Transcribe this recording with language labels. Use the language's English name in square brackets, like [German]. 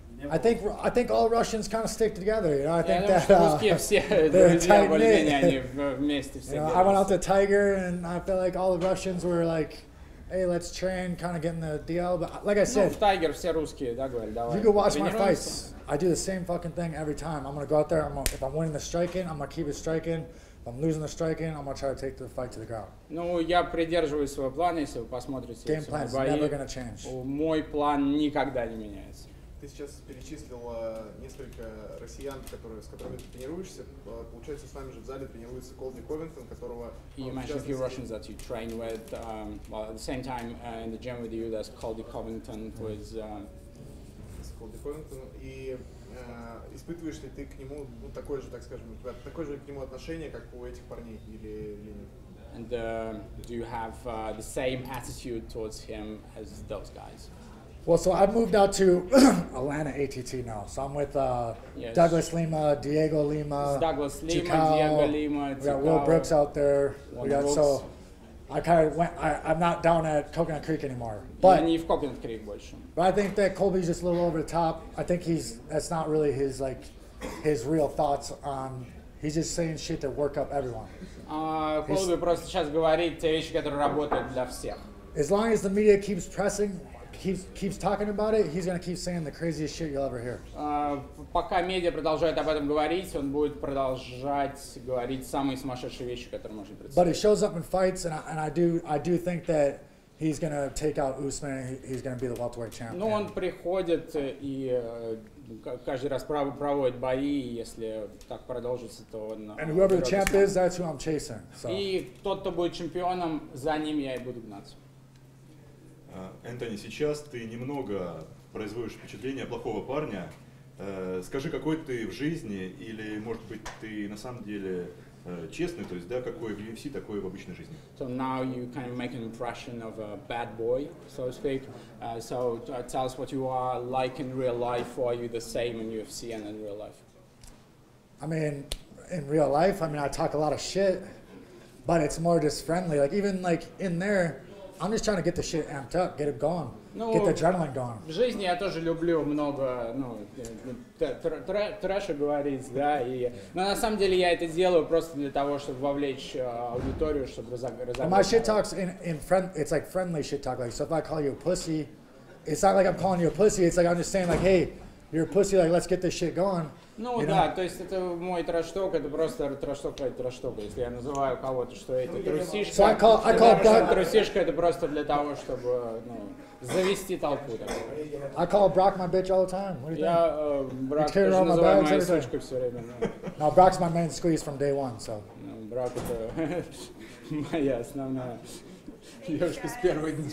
[English] I think all Russians kind of stick together, you know. I went out to Tiger and I felt like all the Russians were like, hey, let's train, kind of get in the DL, but like I said, [Russian] no, Tiger, все русские, да, говорили, давай. [English] You can watch my fights. I do the same fucking thing every time. I'm going to go out there, if I'm winning the striking, I'm going to keep it striking. If I'm losing the striking, I'm going to try to take the fight to the ground. [Russian] Ну, я придерживаюсь своего плана, если вы посмотрите. [English] Game plan is never going to change. [Russian] Мой план никогда не меняется. Ты сейчас перечислил несколько россиян, с которыми ты тренируешься. Получается, с нами же в зале тренируется Колби Ковингтон, которого... [English] You mentioned a few Russians that you train with. Well, at the same time, in the gym with you, there's Colby Covington, who is... [Russian] Колби Ковингтон. И испытываешь ли ты к нему, ну, такое же, так скажем, у тебя такое же к нему отношение, как у этих парней, или нет? [English] And do you have the same attitude towards him as those guys? Well, so I've moved out to Atlanta ATT now. So I'm with Douglas Lima, Diego Lima, Diego Lima, Will Brooks out there. So I kind of went, I'm not down at Coconut Creek anymore. But [Russian] не в Coconut Creek больше. [English] But I think that Colby's just a little over the top. I think he's that's not really his like his real thoughts on. He's just saying shit to work up everyone. [Russian] Colby просто сейчас говорит те вещи, которые работают для всех. [English] As long as the media keeps pressing. Keeps talking about it, he's going to keep saying the craziest shit you'll ever hear. [Russian] Пока медиа продолжает об этом говорить, он будет продолжать говорить самые сумасшедшие вещи, которые можно представить. [English] But he shows up in fights, and I do think that he's going to take out Usman, and he's going to be the welterweight champion. [Russian] Ну, он приходит и каждый раз проводит бои, если так продолжится, то он... [English] And whoever the champ is, that's who I'm chasing. So. [Russian] И тот, кто будет чемпионом, за ним я и буду гнаться. Энтони, сейчас ты немного производишь впечатление плохого парня. Скажи, какой ты в жизни, или, может быть, ты на самом деле честный, то есть, да, какой в UFC, такой в обычной жизни. [English] So now you kind of make an impression of a bad boy, so to speak. So tell us what you are like in real life, or are you the same in UFC and in real life? I mean, in real life, I mean, I talk a lot of shit, but it's more just friendly. Like, even, like, in there... I'm just trying to get the shit amped up, get it going, [Russian] ну, [English] get the adrenaline going. [Russian] В жизни я тоже люблю много, ну, трэша говорить, да, и, но на самом деле я это делаю просто для того, чтобы вовлечь аудиторию, чтобы разобраться. [English] My shit talks in friend, it's like friendly shit talk, like, so if I call you a pussy, it's not like I'm calling you a pussy, it's like I'm just saying like, hey, you're a pussy, like, let's get this shit going. [Russian] Ну [English] you [Russian] да, [English] know? [Russian] То есть это мой трэш-ток, это просто трэш-ток, если я называю кого-то, что это трусишка, [English] so I call [Russian] трусишка, это просто для того, чтобы ну, завести толпу. Так. [English] I call Brock my bitch all the time. What do you [Russian] я, [English] think? Брак, you carry around my bags every time? [Russian] Сучка все время. Но... [English] Now Brock's my main squeeze from day one, so. [Russian] Ну, Брак это моя основная девушка с первого дня.